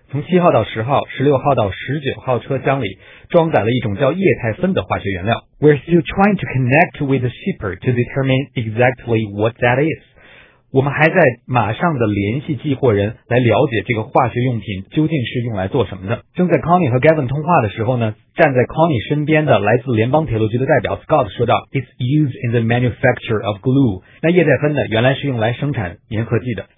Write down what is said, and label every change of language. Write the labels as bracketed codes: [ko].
[zh] 从7号到10号、16号到19号车厢里装载了一种叫液态砷的化学原料。 [en] We're still trying to connect with the shipper to determine exactly what that is。” [zh] 我们还在马上的联系寄货人来了解这个化学用品究竟是用来做什么的。正在 Connie 和 Gavin 通话的时候呢，站在 Connie 身边的来自联邦铁路局的代表 Scott 说道 ： [en] “It's used in the manufacture of glue。” [zh] 那液态砷呢，原来是用来生产粘合剂的。